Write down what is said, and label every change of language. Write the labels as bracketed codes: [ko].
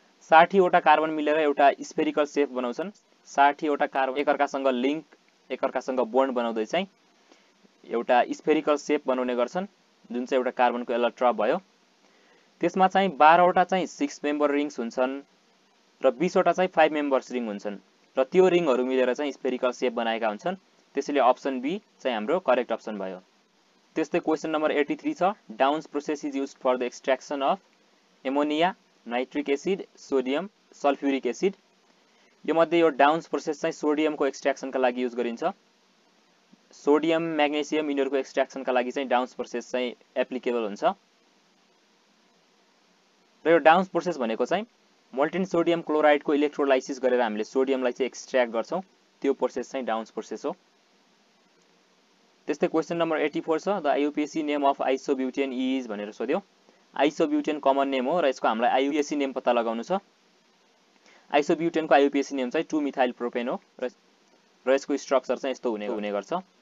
[ne] 60 वटा कार्बन मिलेर एउटा स्फेरिकल सेप बनाउँछन्, 60 वटा कार्बन एकअर्कासँग लिङ्क, एकअर्कासँग बोन्ड बनाउँदै चाहिँ एउटा स्फेरिकल सेप बनाउने गर्छन्, जुन चाहिँ एउटा कार्बनको एलोट्रप भयो। त्यसमा चाहिँ 12 वटा चाहिँ 6 मेम्बर रिङ्स हुन्छन् र 20 वटा चाहिँ 5 मेम्बर्स रिङ हुन्छन् र त्यो रिङहरू मिलेर चाहिँ स्फेरिकल सेप बनाएका हुन्छन्। त्यसैले अप्सन बी चाहिँ हाम्रो करेक्ट अप्सन भयो। त्यस्तै क्वेसन नम्बर 83 छ। [en] Downs process is use for the extraction of ammonia, nitric acid, sodium sulphuric acid. [ne] यो मध्ये यो डाउन्स प्रोसेस चाहिँ सोडियम को एक्सट्र्याक्सन का लागि युज गरिन्छ सोडियम मैग्नीशियम इनहरुको एक्सट्र्याक्सन का लागि चाहिँ डाउन्स प्रोसेस चाहिँ एप्लिकेबल हुन्छ र यो डाउन्स प्रोसेस भनेको चाहिँ मोल्टन सोडियम क्लोराइड को इलेक्ट्रोलाइसिस गरेर हामीले सोडियमलाई चाहिँ एक्सट्र्याक्ट गर्छौं त्यो प्रोसेस चाहिँ डाउन्स प्रोसेस हो त्यस्तै क्वेशन नम्बर 84 छ [en] the IUPAC name of isobutane is [ne] भनेर सोध्यो आइसोब्युटेन कमन नेम हो र यसको हामीलाई आईयूपीएसी नेम पत्ता लगाउनु छ आइसोब्युटेन को आईयूपीएसी नेम चाहिँ 2 मिथाइल प्रोपेन हो र यसको स्ट्रक्चर चाहिँ यस्तो हुने हुने गर्छ